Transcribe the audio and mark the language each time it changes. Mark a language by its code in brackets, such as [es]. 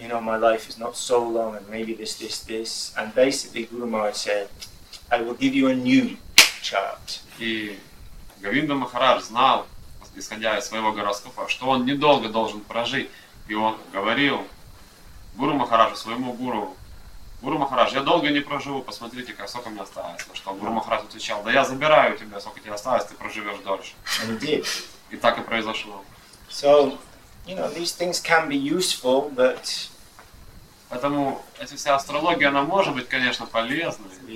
[en] You know, my life is not so long, and maybe this. And basically, Guru Maharaj said, "I will give you a new chart." [ru] И Говинда Махарадж знал, исходя из своего гороскопа, что он недолго должен прожить, и он говорил Гуру Махараджу, своему гуру: "Гуру Махарадж, я долго не проживу. Посмотрите, как сколько мне осталось." Что Гуру Махарадж отвечал: "Да я забираю у тебя, сколько тебе осталось, ты проживешь дольше." [en] And he did. [ru] И так и произошло. [en] So. You know, these things can be useful, but [ru] поэтому эта вся астрология, она может быть, конечно, полезной.